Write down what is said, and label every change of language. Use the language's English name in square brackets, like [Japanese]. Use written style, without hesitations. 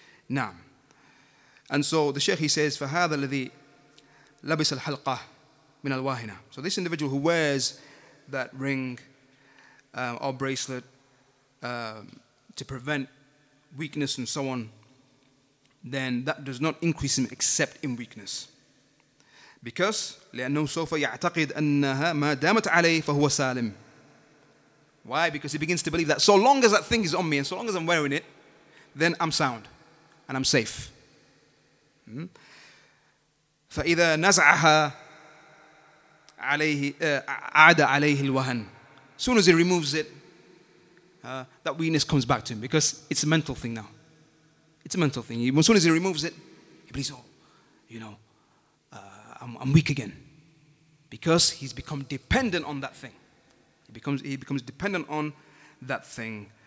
[English] Na'am. And so the sheikh, he says, [Arabic] فَهَذَا الَّذِي لَبِسَ الْحَلْقَةِ مِنَ الْوَاهِنَةِ. [English] So this individual who wears that ring or bracelet to prevent weakness and so on, then that does not increase him except in weakness. Because [Arabic] لأنه سوف يعتقد أنها ما دامت عليه فهو سالم. [English] Why? Because he begins to believe that so long as that thing is on me and so long as I'm wearing it, then I'm sound and I'm safe. [Arabic] فإذا نزعها عليه عاد عليه الوهن. [English] Soon as he removes it, that weakness comes back to him because it's a mental thing now. It's a mental thing. As soon as he removes it, he believes, oh, you know, I'm weak again. Because he's become dependent on that thing. He becomes dependent on that thing.